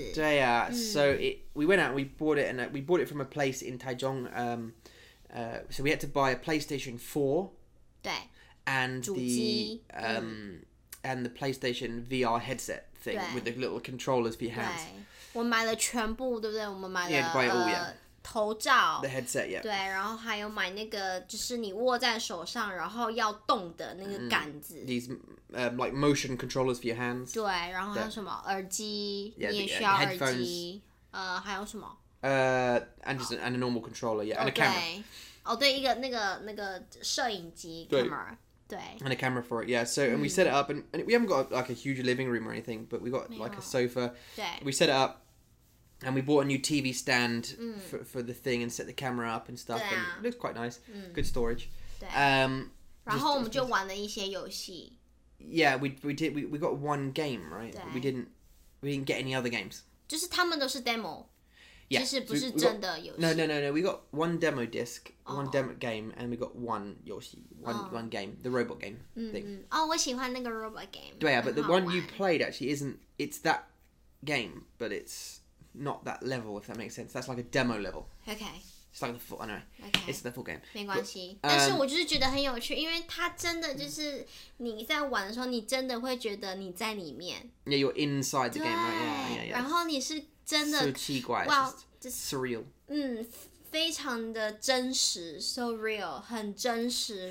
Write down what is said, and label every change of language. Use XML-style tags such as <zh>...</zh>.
<en>对啊， so we went out and we bought it, and we bought it from a place in Taichung. So we had to buy a PlayStation 4.</en> <zh>对。</zh> <en>And the PlayStation VR headset thing with the little controllers for your hands.</en> <zh>我买了全部，对不对？我们买了。</zh> <en>Yeah, buy it all, yeah.</en> <zh>头罩</zh> <en>，the headset， yeah，</en> <zh>对，然后还有买那个，就是你握在手上，然后要动的那个杆子。</zh> <en>These like motion controllers for your hands。</en> <zh>对，然后还有什么耳机？</zh> <en>Yeah,</en> <zh>你也需要耳机。</zh> <en>Headphones.</en> <zh>还有什么？</zh> <en>And just and a normal controller, yeah, and a camera.</en> <zh>对，一个那个摄影机 camera。对</zh> <en>and a camera for it, yeah. So, and we set it up, and we haven't got like a huge living room or anything, but we got like a sofa.</en> <zh>对</zh> <en>，we set it up. And we bought a new TV stand for the thing and set the camera up and stuff. And it looks quite nice. Good storage.</en> <zh>然后我们就玩了一些游戏。</zh> <en>Yeah, we got one game, right? We didn't get any other games.</en> <zh>就是他们都是 demo.</zh> <en>Yeah.</en> <zh>其实不是真的游戏。</zh> <en>No. We got one demo disc, one demo game, and we got one 游戏 one game, the robot game thing.</en> <zh>我喜欢那个 robot game.</zh> <en>对啊 but the one you played actually isn't, it's that game, but it's... Not that level, if that makes sense. That's like a demo level. Okay. It's like the full, I know. Okay. It's the full game.</en> <zh>没关系。但是我就是觉得很有趣，因为它真的就是你在玩的时候，你真的会觉得你在里面。</zh> <en>Yeah, you're inside the game, right? Yeah.</en> <zh>然后你是真的。 So 奇怪。</zh> <en>Wow, just surreal.</en> <zh>非常的真实 ， so real，很真实。</zh>